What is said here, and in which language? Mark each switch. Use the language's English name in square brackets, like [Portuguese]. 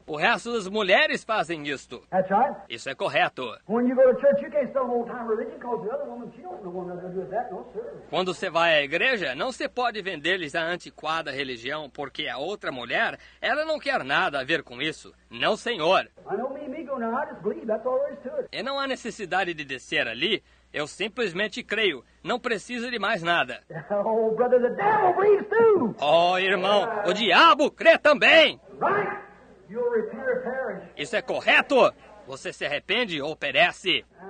[Portuguese] O resto das mulheres fazem isto. [English] That's right. [Portuguese] Isso é correto. [English] When you go to church, you can't sell an old-time religion because the other woman, she don't know one that's going to do that, no, sir. [Portuguese] Quando você vai à igreja, não se pode vender-lhes a antiquada religião, porque a outra mulher, ela não quer nada a ver com isso. Não, senhor. [English] I know me go now, I just believe, that's all there is to it. [Portuguese] E não há necessidade de descer ali. Eu simplesmente creio. Não precisa de mais nada. [English] Oh, brother, the devil believes too. [Portuguese] Oh, irmão, o diabo crê também. [English] Right. You'll repent or perish. [Portuguese] Isso é correto. Você se arrepende ou perece.